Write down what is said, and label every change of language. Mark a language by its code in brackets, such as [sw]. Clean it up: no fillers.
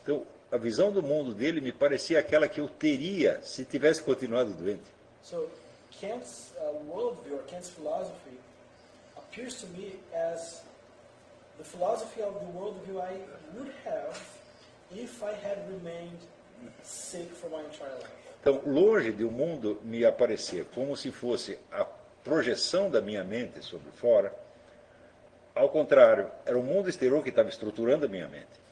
[pt] Então, a visão do mundo dele me parecia aquela que eu teria se tivesse continuado doente. [en] So, Kant's worldview, or Kant's philosophy, appears to me as the philosophy of the worldview I would have if I had remained sick for my entire life. [pt] Então, longe de um mundo me aparecer como se fosse a projeção da minha mente sobre fora, ao contrário, era o mundo exterior que estava estruturando a minha mente.